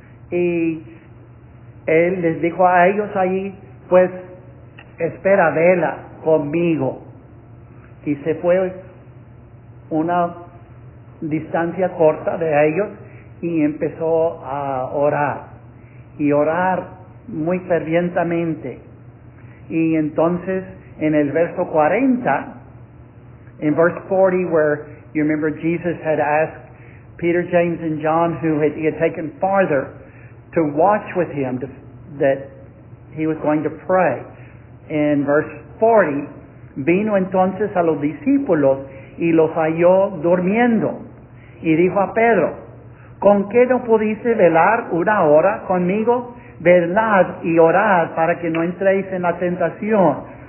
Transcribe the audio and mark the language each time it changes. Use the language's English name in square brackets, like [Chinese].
[Spanish] Y él les dijo a ellos allí, pues espera, vela conmigo. Y se fue una distancia corta de ellos y empezó a orar. Y orar muy fervientemente. Y entonces en el verso 40, [English] in verse 40, where you remember Jesus had asked Peter, James, and John, who he had taken farther, to watch with him, that he was going to pray. In verse 40, [Spanish] vino entonces a los discípulos y los halló durmiendo. Y dijo a Pedro, ¿con qué no pudiste velar una hora conmigo? Velad y orad para que no entréis en la tentación.